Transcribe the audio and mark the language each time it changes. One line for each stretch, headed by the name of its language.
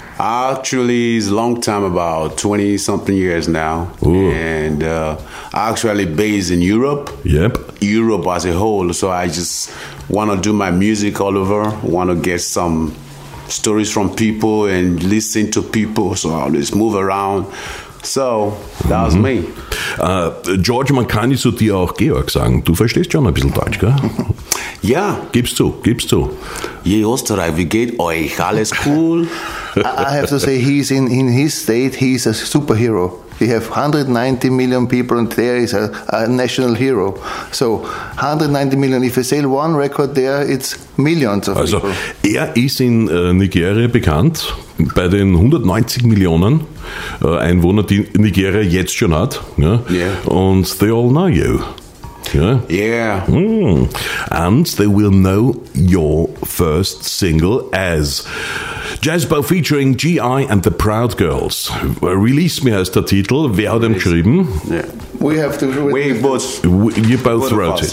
English: Actually, it's a long time, about 20-something years now. Ooh. And actually based in Europe. Yep. Europe as a whole. So I just want to do my music all over. Want to get some stories from people and listen to people. So I always move around. So, that was me.
German: George, man kann zu dir auch Georg sagen. Du verstehst schon ein bisschen Deutsch, gell? Ja. Gibst du. Je Österreich, wie geht euch? Alles
English: cool? I have to say, he's in his state, he's a superhero. We have 190 million people and there is a national hero. So, 190 million, if you sell one record there, it's millions of also, people.
German: Also, er ist in Nigeria bekannt, bei den 190 Millionen Einwohner, die Nigeria jetzt schon hat. Ja?
English: Yeah. And they all know you. Yeah. And they will know your first single as Jazzbo featuring G.I. and the Proud Girls. Release Me
German: heißt der Titel. Wer hat ihn geschrieben?
English: Yeah. We have to You both wrote it.